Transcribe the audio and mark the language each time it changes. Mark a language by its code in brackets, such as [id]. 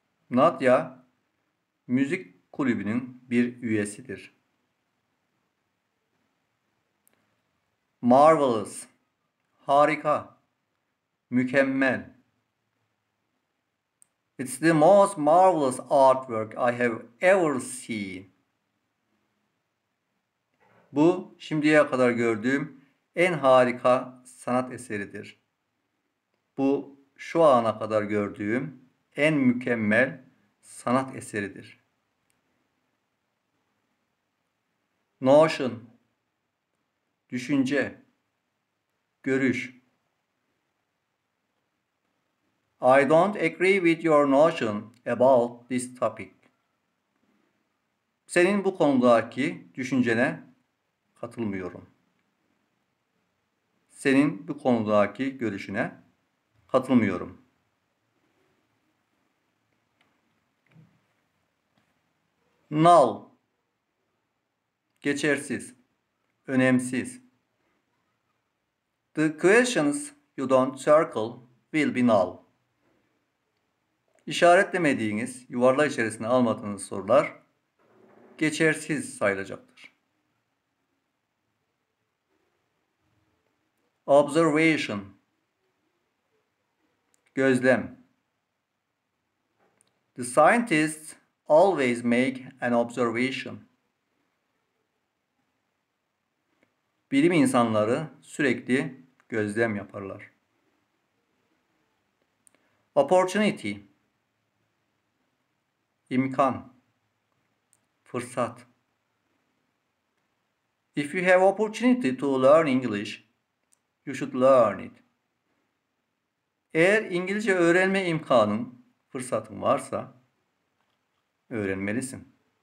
[tr] Nadia, müzik kulübünün bir üyesidir. Marvelous, harika, mükemmel. [en] It's the most marvelous artwork I have ever seen. [tr] Bu şimdiye kadar gördüğüm en harika sanat eseridir. Bu şu ana kadar gördüğüm en mükemmel sanat eseridir. Notion, düşünce, görüş. [en] I don't agree with your notion about this topic. [tr] Senin bu konudaki düşüncene katılmıyorum. Senin bu konudaki görüşüne katılmıyorum. Null, geçersiz, önemsiz. [en] The questions you don't circle will be null. [tr] İşaretlemediğiniz, yuvarlak içerisine almadığınız sorular geçersiz sayılacaktır. Observation, gözlem. [en] The scientists always make an observation. [tr] Bilim insanları sürekli gözlem yaparlar. Opportunity, imkan, fırsat. [en] If you have opportunity to learn English, you should learn it. [tr] Eğer İngilizce öğrenme imkanın, fırsatın varsa öğrenmelisin.